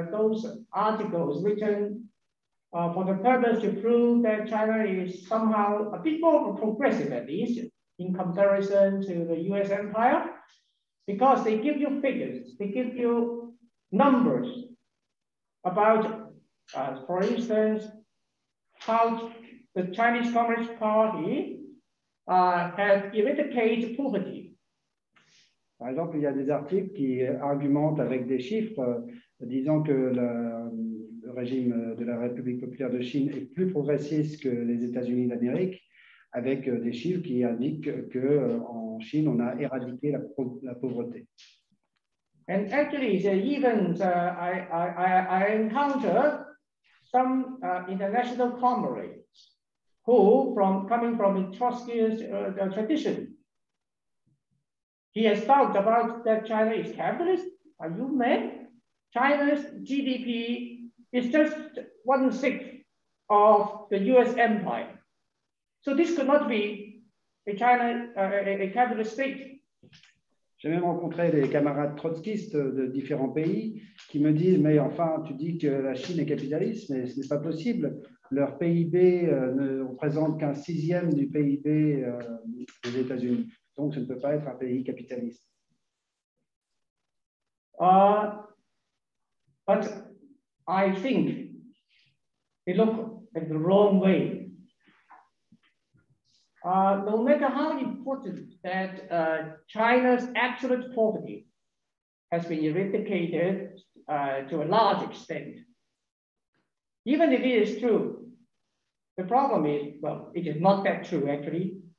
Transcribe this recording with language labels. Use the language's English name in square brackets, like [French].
[English] For the purpose to prove that China is somehow a bit more progressive, at least in comparison to the US empire, because they give you figures, they give you numbers about, for instance, how the Chinese Communist Party has eradicated poverty. [French] Par exemple, il y a des articles qui argumentent avec des chiffres disant que le régime de la République populaire de Chine est plus progressiste que les États-Unis d'Amérique, avec des chiffres qui indiquent que en Chine on a éradiqué la pauvreté. [English] And actually, even I encounter some international comrades who coming from Etruscan tradition. He has talked about that China is capitalist. Are you mad? China's GDP is just 1/6 of the US empire. So this could not be a China, a capitalist state. [French] J'ai même rencontré des camarades trotskistes de différents pays qui me disent, mais enfin, tu dis que la Chine est capitaliste, mais ce n'est pas possible. Leur PIB ne représente qu'un sixième du PIB des États-Unis. Donc, ce ne peut pas être un pays capitaliste. [English] But I think they look at the wrong way. No matter how important that China's absolute poverty has been eradicated to a large extent, even if it is true, the problem is, well, it is not that true, actually.